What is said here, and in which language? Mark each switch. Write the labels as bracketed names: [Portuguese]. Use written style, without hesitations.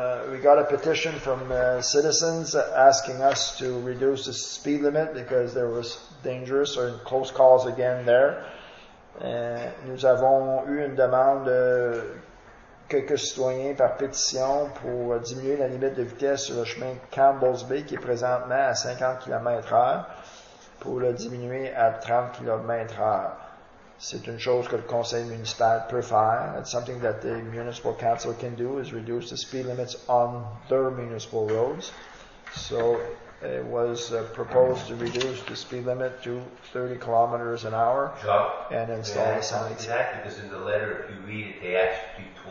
[English] We got a petition from citizens asking us to reduce the speed limit because there was dangerous or close calls again there. [French] Nous avons eu une demande de quelques citoyens par pétition pour diminuer la limite de vitesse sur le chemin Campbell's Bay qui est présentement à 50 km/h pour le diminuer à 30 km/h. C'est une chose que le conseil municipal peut faire. [English] It's something that the municipal council can do is reduce the speed limits on their municipal roads. So it was proposed to reduce the speed limit to 30 km/h and install the signs. Exactly, because in the letter, if you read it, they asked you